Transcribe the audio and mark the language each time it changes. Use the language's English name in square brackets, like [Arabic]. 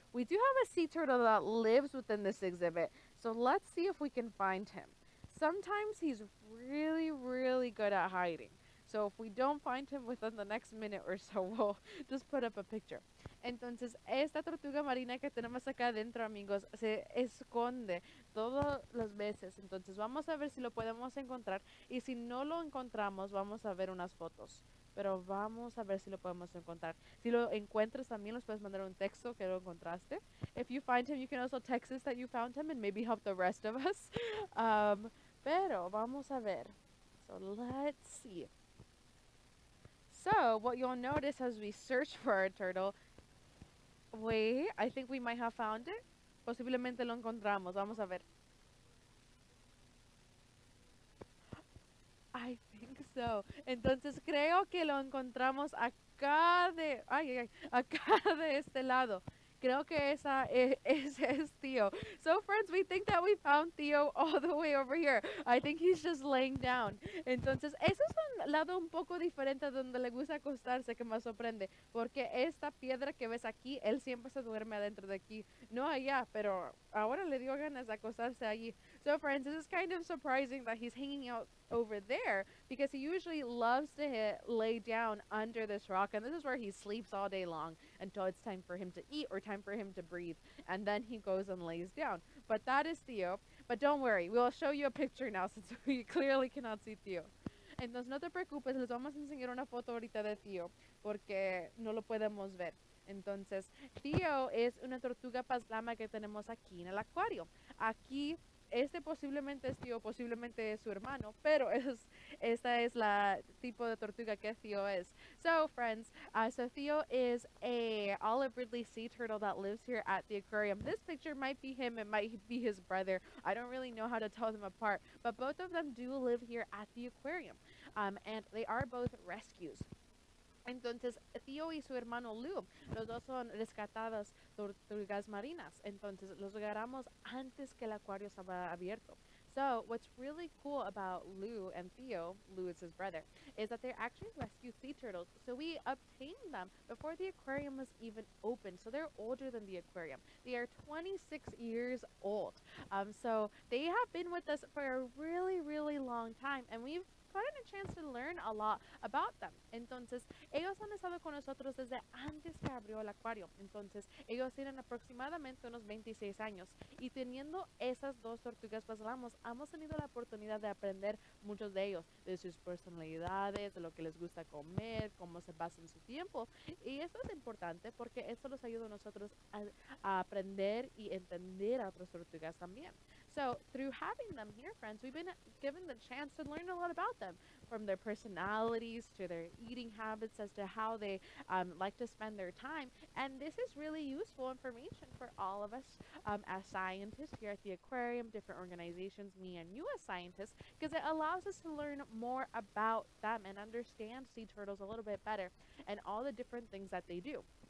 [English] We do have a sea turtle that lives within this exhibit. So let's see if we can find him. Sometimes he's really, really good at hiding. So if we don't find him within the next minute or so, we'll just put up a picture. [Spanish] Entonces, esta tortuga marina que tenemos acá adentro, amigos, se esconde todas las veces. Entonces, vamos a ver si lo podemos encontrar. Y si no lo encontramos, vamos a ver unas fotos. Pero vamos a ver si lo podemos encontrar. Si lo encuentras, también nos puedes mandar un texto que lo encontraste. [English] If you find him, you can also text us that you found him and maybe help the rest of us. [Spanish] Pero vamos a ver. [English] So, let's see. So, what you'll notice as we search for our turtle... Wait, I think we might have found it. [Spanish] Posiblemente lo encontramos. Vamos a ver. [English] I think so. [Spanish] Entonces creo que lo encontramos acá de... acá de este lado. Creo que esa es Theo. [English] So friends, we think that we found Theo all the way over here. I think he's just laying down. [Spanish] Entonces, ese es un lado un poco diferente donde le gusta acostarse que me sorprende. Porque esta piedra que ves aquí, él siempre se duerme adentro de aquí. No allá, pero ahora le dio ganas de acostarse allí. [English] So, friends, this is kind of surprising that he's hanging out over there because he usually loves to lay down under this rock, and this is where he sleeps all day long until it's time for him to eat or time for him to breathe, and then he goes and lays down. But that is Theo. But don't worry, we will show you a picture now since we clearly cannot see Theo. [Spanish] Entonces, no te preocupes, les vamos a enseñar una foto ahorita de Theo porque no lo podemos ver. Entonces, Theo es una tortuga paslama que tenemos aquí en el acuario. Aquí, este posiblemente es Theo, posiblemente es su hermano, pero esta es la tipo de tortuga que Theo es. [English] So, friends, so Theo is a olive ridley sea turtle that lives here at the aquarium. This picture might be him, it might be his brother. I don't really know how to tell them apart, but both of them do live here at the aquarium, and they are both rescues. [Spanish] Entonces, Theo y su hermano Lou, los dos son rescatadas tortugas marinas. Entonces, los agarramos antes que el acuario estaba abierto. [English] So, what's really cool about Lou and Theo, Lou is his brother, is that they're actually rescued sea turtles. So, we obtained them before the aquarium was even open. So, they're older than the aquarium. They are 26 years old. So, they have been with us for a really, really long time. And we've gotten a chance to learn a lot about them. [Spanish] Entonces, ellos han estado con nosotros desde antes que abrió el acuario. Entonces, ellos tienen aproximadamente unos 26 años. Y teniendo esas dos tortugas paslamas, hemos tenido la oportunidad de aprender muchos de ellos, de sus personalidades, de lo que les gusta comer, cómo se pasan su tiempo. Y esto es importante porque esto nos ayuda a nosotros a aprender y entender a otras tortugas también. [English] So, through having them here, friends, we've been given the chance to learn a lot about them, from their personalities to their eating habits as to how they like to spend their time. And this is really useful information for all of us as scientists here at the aquarium, different organizations, me and you as scientists, because it allows us to learn more about them and understand sea turtles a little bit better and all the different things that they do.